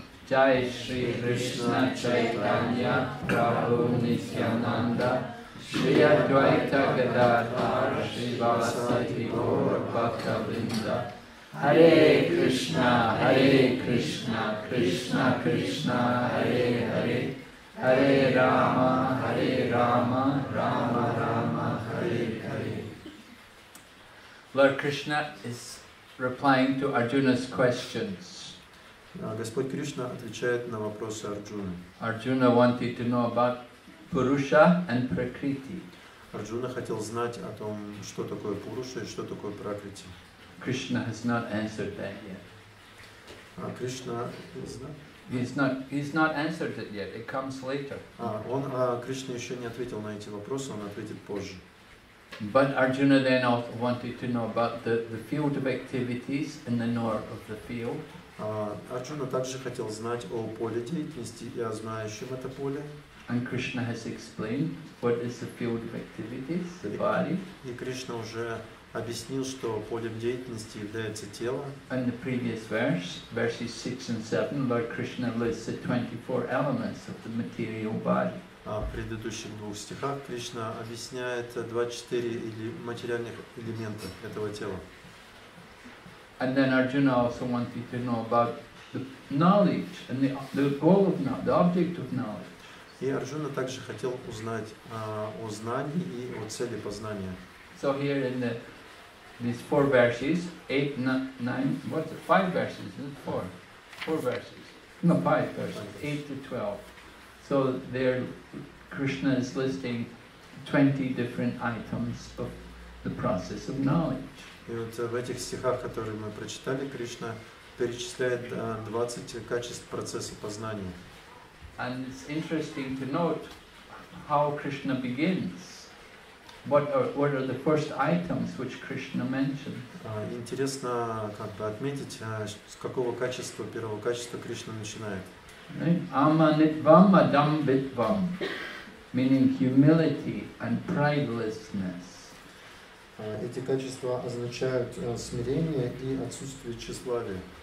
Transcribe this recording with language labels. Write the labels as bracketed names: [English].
[Sanskrit] Jai Shri Krishna Chaitanya Prabhu Nityananda Shri Advaita Gadadhar Shri Vasati Gaur Bhakta Vrinda Hare Krishna, Hare Krishna, Krishna Krishna, Hare Hare Hare Rama, Hare Rama, Rama Rama, Hare Hare. [English] Lord Krishna is replying to Arjuna's questions. [Russian] Господь Кришна отвечает на вопросы Арджуны. [English] Arjuna wanted to know about Purusha and Prakriti. [Russian] Арджуна хотел знать о том, что такое Пуруша и что такое Пракрити. [English] Krishna has not answered that yet. [Russian] Кришна [English] He's not answered it yet. It comes later. [Russian] Кришна еще не ответил на эти вопросы. Он ответит позже. [English] But Arjuna then also wanted to know about the field of activities in the north of the field. [Russian] Арджуна также хотел знать о поле деятельности и о знающем это поле. [English] And Krishna has explained what is the field of activities, the body. [Russian] И Кришна уже объяснил, что полем деятельности является тело. [English] In the previous verse, verses 6 and 7, Lord Krishna lists the 24 elements of the material body. [Russian] В предыдущих двух стихах Кришна объясняет 24 или материальных элемента этого тела. [English] And then Arjuna also wanted to know about the knowledge and the goal of knowledge, the object of knowledge. [Russian] И Арджуна также хотел узнать о знании и о цели познания. [English] So here in these four verses, five verses, 8 to 12. So there Krishna is listing 20 different items of the process of knowledge. [Russian] И вот в этих стихах, которые мы прочитали, Кришна перечисляет 20 качеств процесса познания. [English] And it's interesting to note how Krishna begins. What are the first items which Krishna mentions? [Russian] Интересно как бы отметить, с какого качества, первого качества Кришна начинает. [Sanskrit] Аманитвам адамбитвам, [English] meaning humility and pridelessness. [Russian] Эти качества означают смирение и отсутствие тщеславия.